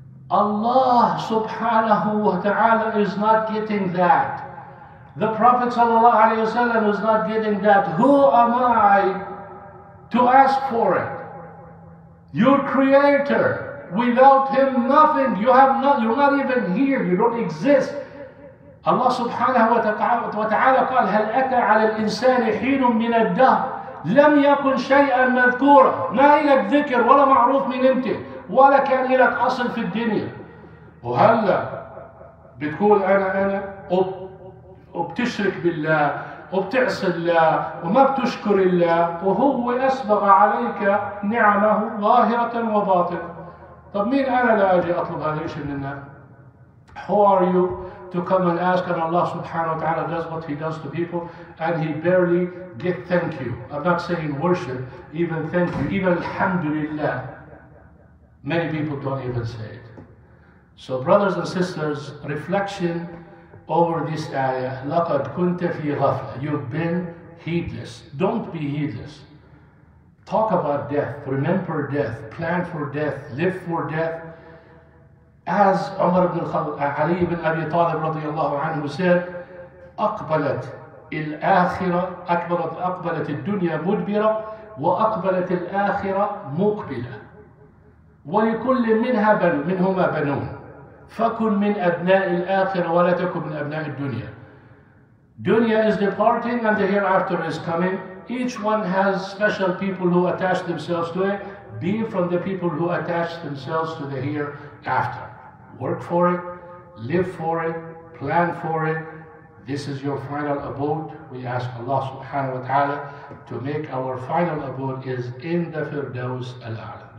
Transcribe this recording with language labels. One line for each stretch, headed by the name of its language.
English: Allah subhanahu wa ta'ala is not getting that. The Prophet sallallahu alayhi wa sallam is not getting that. Who am I to ask for it? Your creator, without him nothing, you have not, you're not even here, you don't exist.
Arabic: Allah subhanahu wa ta'ala قال هل أتى على الإنسان حين من الدهر لم يكن شيئا مذكورا. ما إلك ذكر ولا معروف من أنت ولا كان إلك أصل في الدنيا. وهلا بتقول أنا وبتشرك بالله وبتعصي الله وما بتشكر الله وهو أسبغ عليك نعمه ظاهرة وباطنة. طب مين أنا لأجي أطلب هذا الشيء من الناس؟
English: Who are you to come and ask, and Allah subhanahu wa ta'ala does what He does to people, and He barely get thank you. I'm not saying worship, even thank you, even alhamdulillah. Many people don't even say it. So brothers and sisters, reflection over this ayah,
Arabic: لَقَدْ كُنْتَ فِي غَفْلَةٍ.
English: You've been heedless. Don't be heedless. Talk about death, remember death, plan for death, live for death. As Umar ibn Ali ibn Abi Talib radiallahu anhu said,
Arabic: أقبلت الآخرة, أقبلت الدنيا مدبرة وأقبلت الآخرة مقبلة ولكل منها بنو منهما بنون فكن من أبناء الآخرة ولا تكن من أبناء الدنيا.
English: Dunya is departing and the hereafter is coming. Each one has special people who attach themselves to it. Be from the people who attach themselves to the hereafter. Work for it, live for it, plan for it. This is your final abode. We ask Allah subhanahu wa ta'ala to make our final abode is in the Firdaus al-A'la.